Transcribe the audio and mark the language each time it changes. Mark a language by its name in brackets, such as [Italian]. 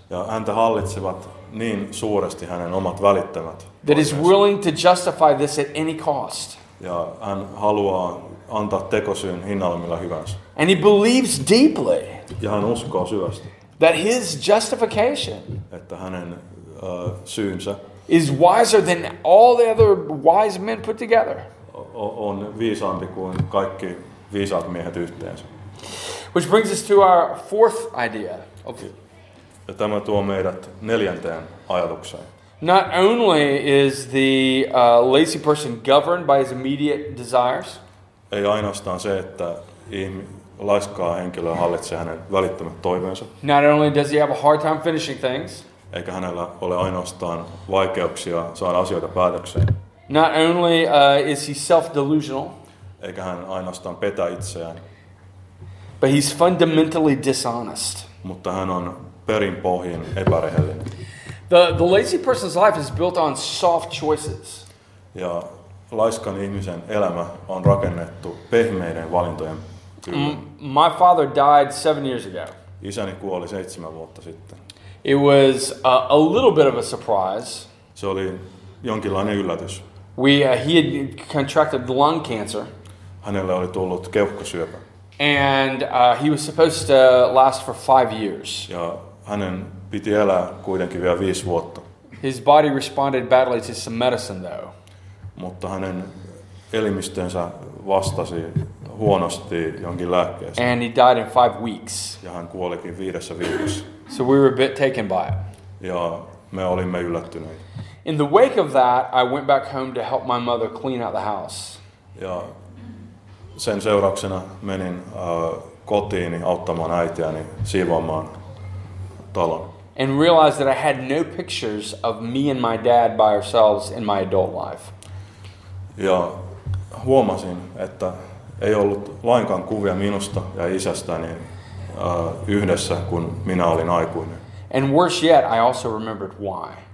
[Finnish] Ja häntä hallitsevat niin suuresti hänen omat välittämät. [English] That is willing to justify this at any cost. [Finnish] Ja hän haluaa antaa tekosyyn hinnalla millä hyvänsä. [English] And he believes deeply. [Finnish] Ja hän uskoo syvästi. [English] That his justification. [Finnish] Että hänen syynsä. [English] Is wiser than all the other wise men put together. [Finnish] On viisaampi kuin kaikki viisaat miehet yhteensä. [English] Which brings us to our fourth idea. Okay. [Finnish] Ja tämä tuo meidät neljänteen ajatukseen. [English] Not only is the lazy person governed by his immediate desires. [Finnish] Ei ainoastaan se, että laiskaa henkilöä hallitsee hänen välittömät toiveensa. [English] Not only does he have a hard time finishing things. [Finnish] Eikä hänellä ole ainoastaan vaikeuksia saada asioita päätökseen. [English] Not only is he self-delusional. [Finnish] Eikä hän ainoastaan petä itseään. [English] But he's fundamentally dishonest. [Finnish] Mutta hän on perin pohjin epärehellinen. [English] The lazy person's life is built on soft choices. [Finnish] Ja laiskan ihmisen elämä on rakennettu pehmeiden valintojen. [English] My father died 7 years ago. [Finnish] Isäni kuoli 7 vuotta sitten. [English] It was a little bit of a surprise. [Finnish] Se oli jonkinlainen yllätys. [English] He had contracted lung cancer. [Finnish] Hänellä oli tullut keuhkosyöpä. [English] And he was supposed to last for 5 years. [Finnish] Ja hänen piti elää kuitenkin vielä 5 vuotta. [English] His body responded badly to some medicine though. [Finnish] Mutta hänen elimistönsä vastasi huonosti jonkin lääkkeen. [English] And he died in 5 weeks. [Finnish] Ja hän kuolikin 5 viikossa. [English] So we were a bit taken by it. [Finnish] Ja me olimme yllättyneet. [English] In the wake of that, I went back home to help my mother clean out the house. [Finnish] Ja sen seurauksena menin kotiini auttamaan äitiäni siivoamaan talon. [English] And realized that I had no pictures of me and my dad by ourselves in my adult life. [Finnish] Ja huomasin, että ei ollut lainkaan kuvia minusta ja isästäni yhdessä, kun minä olin aikuinen. [English] And worse yet, I also remembered why.